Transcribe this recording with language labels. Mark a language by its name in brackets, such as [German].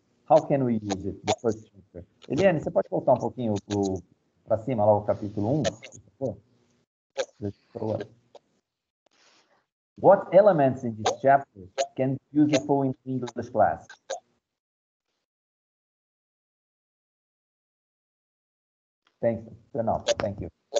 [English] How can we use it, the first chapter? [Portuguese] Eliane, você pode voltar um pouquinho para cima, lá o capítulo 1? [English] What elements in this chapter can be useful in English class? Thank you.